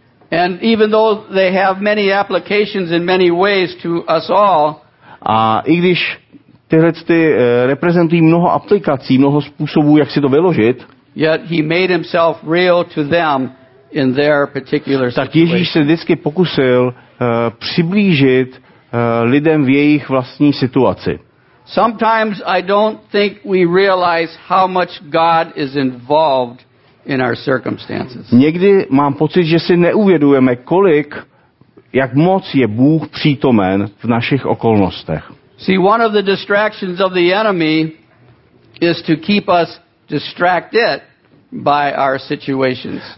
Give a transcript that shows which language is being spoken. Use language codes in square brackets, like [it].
[en] And even though they have many applications in many ways to us all, [cs] a i když tyhle ty reprezentují mnoho aplikací, mnoho způsobů, jak si to vyložit. [en] Yet he made himself real to them in their particular situation. [cs] Tak Ježíš se vždycky pokusil přiblížit lidem v jejich vlastní situaci. [en] Sometimes I don't think we realize how much God is involved in our circumstances. [cs] Někdy mám pocit, že si neuvědujeme, kolik, jak moc je Bůh přítomen v našich okolnostech. [en] See, one of the distractions of the enemy is to keep us distracted by our situations.